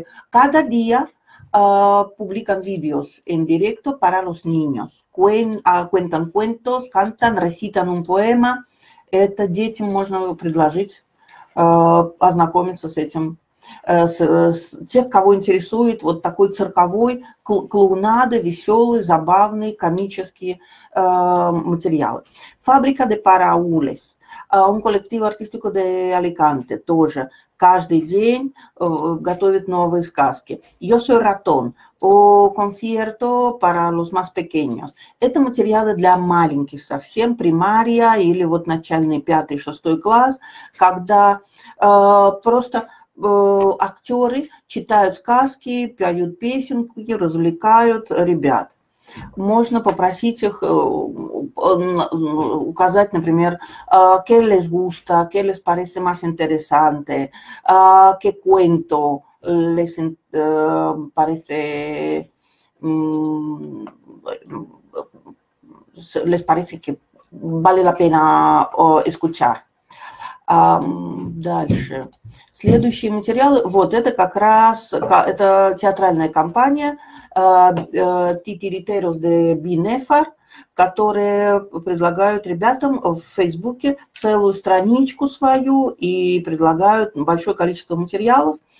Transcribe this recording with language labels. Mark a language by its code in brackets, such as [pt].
[es] Cada día publican videos en directo para los niños. Cuentan cuentos, cantan, recitan un poema. [ru] Это детям можно предложить ознакомиться с этим. С тех, кого интересует вот такой цирковой клоунады, веселые, забавные, комические материалы. Фабрика де Параулес, он коллектив артистику де Аликанте, тоже каждый день готовит новые сказки. [es] Yo soy ratón, o concierto para los más pequeños. [ru] Это материалы для маленьких совсем, примария или вот начальный 5-6 класс, когда просто актеры читают сказки, поют песенки, развлекают ребят. Можно попросить их указать, например, [es] «Qué les gusta?», «Qué les parece más interesante?», «Qué cuento les parece, les parece que vale la pena escuchar?». [ru] Дальше. Следующие материалы. Вот это как раз это театральная компания Titiriteros de Binefar, которые предлагают ребятам в Фейсбуке целую страничку свою и предлагают большое количество материалов.